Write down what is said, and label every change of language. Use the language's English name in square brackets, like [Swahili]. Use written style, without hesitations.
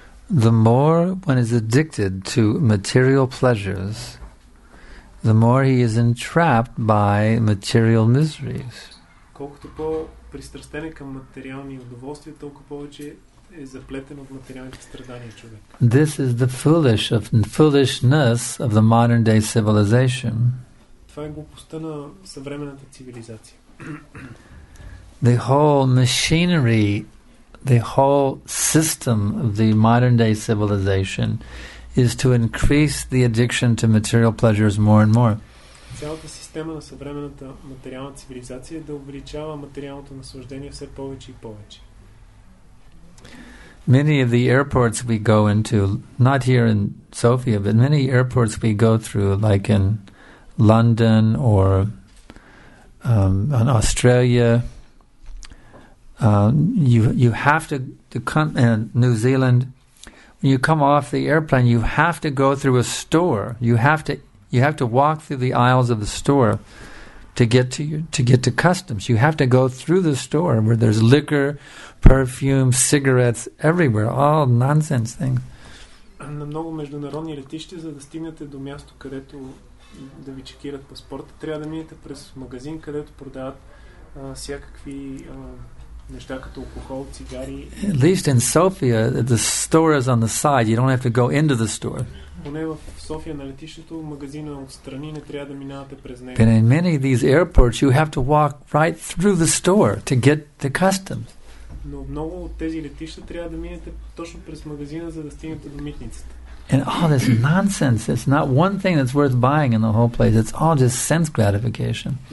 [English] The more one is addicted to material pleasures, the more he is entrapped by material miseries. [Bulgarian] Колкото по-пристрастен към материални удоволствия, толкова повече е заплетен от материалните страдания човек. [English] This is the foolishness of the modern day civilization. [Bulgarian] Това е глупостта на съвременната цивилизация. [English] The whole machinery, the whole system of the modern day civilization is to increase the addiction to material pleasures more and more. [Bulgarian] Цялата система на съвременната материална цивилизация е да увеличава материалното наслаждение все повече и повече. [English] Many of the airports we go into, not here in Sofia, but many airports we go through, like in London or in Australia, you have to come in New Zealand. When you come off the airplane, you have to go through a store. You have to walk through the aisles of the store to get to customs. You have to go through the store where there's liquor, perfume, cigarettes everywhere. All nonsense things. [Bulgarian] На много международни летища, за да стигнете до място, където да ви чекират паспорта, трябва да минете през магазин, където продават всякакви неща като алкохол, цигари. [English] At least in Sofia, the store is on the side. You don't have to go into the store. [Bulgarian] Поне в София на летището магазина отстрани, не трябва да минавате през него. [English] But in many of these airports, you have to walk right through the store to get to customs. [Bulgarian] Но много от тези летища трябва да минете точно през магазина, за да стигнете до митницата. [English] And all this nonsense, it's not one thing that's worth buying in the whole place. It's all just sense gratification.